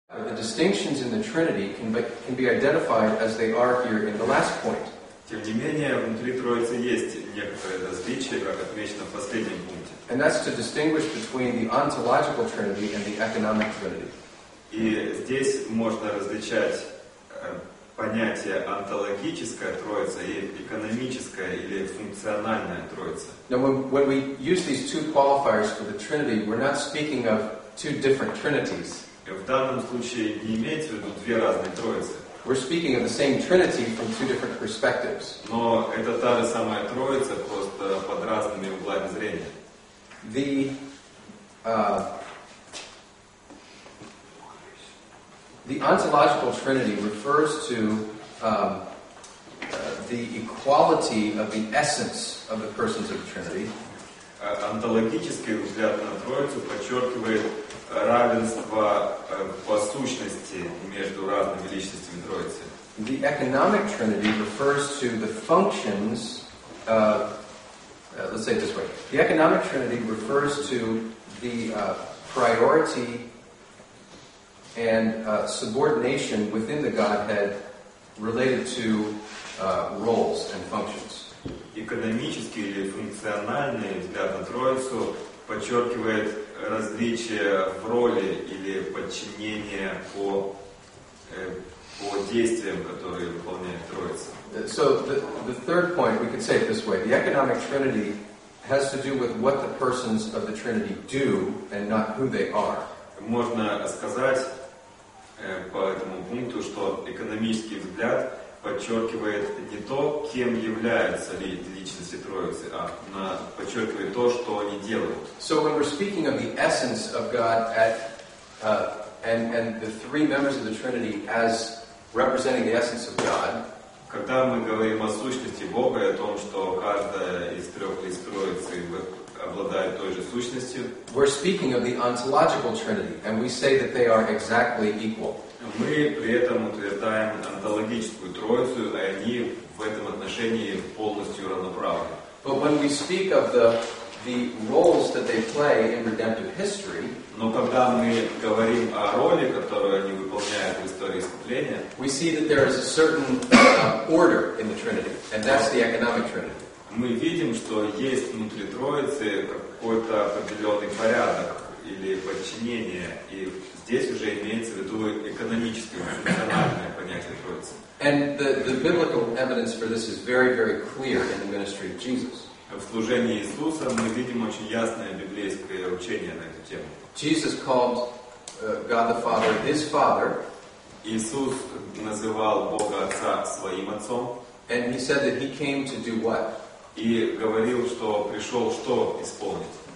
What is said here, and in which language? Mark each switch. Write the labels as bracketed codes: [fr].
[en] the distinctions in the Trinity can be identified as they are here in the last point. [ru] Тем не менее, внутри Троицы есть некоторые различия, как отмечено в последнем пункте. [en] And that's to distinguish between the ontological Trinity and the economic Trinity. [ru] И здесь можно различать понятие онтологическая Троица и экономическая или функциональная Троица. [en] Now, when we use these two qualifiers for the Trinity, we're not speaking of two different Trinities. [ru] В данном случае не имеется в виду две разные Троицы. [en] We're speaking of the same Trinity from two different perspectives. [ru] Но это та же самая Троица, просто под разными углами зрения. [en] The ontological Trinity refers to the equality of the essence of the persons of the Trinity. [ru] Онтологический взгляд на Троицу подчеркивает равенство по сущности между разными личностями Троицы. [en] The economic Trinity refers to the functions of, let's say it this way. The economic Trinity refers to the priority and subordination within the Godhead related to roles and functions. [ru] Экономический или функциональный взгляд на Троицу подчеркивает различия в роли или подчинение по действиям, которые выполняет Троица. [en] So the third point, we could say it this way. The economic Trinity has to do with what the persons of the Trinity do and not who they are. [ru] Можно сказать по этому пункту, что экономический взгляд подчеркивает не то, кем являются личности Троицы, а подчеркивает то, что они делают. [en] So when we're speaking of the essence of God at and the three members of the Trinity as representing the essence of God. [ru] Когда мы говорим о сущности Бога и о том, что каждая из трех лиц Троицы обладает той же сущностью. [en] We're speaking of the ontological Trinity, and we say that they are exactly equal. [ru] Мы при этом утверждаем онтологическую Троицу, а они в этом отношении полностью равноправны. [en] But when we speak of the roles that they play in redemptive history, [ru] но когда мы говорим о роли, которую они выполняют в истории искупления, [en] we see that there is a certain order in the Trinity, and that's the economic Trinity. [ru] Мы видим, что есть внутри Троицы какой-то определенный порядок или подчинение, и здесь уже имеется в виду экономическое, функциональное понятие Троицы. [en] And the biblical evidence for this is very, very clear in the ministry of Jesus. [ru] В служении Иисуса мы видим очень ясное библейское учение на эту тему. [en] Jesus called God the Father His Father. [ru] Иисус называл Бога Отца своим Отцом. [en] And He said that He came to do what? [ru] И говорил, что пришел что исполнить?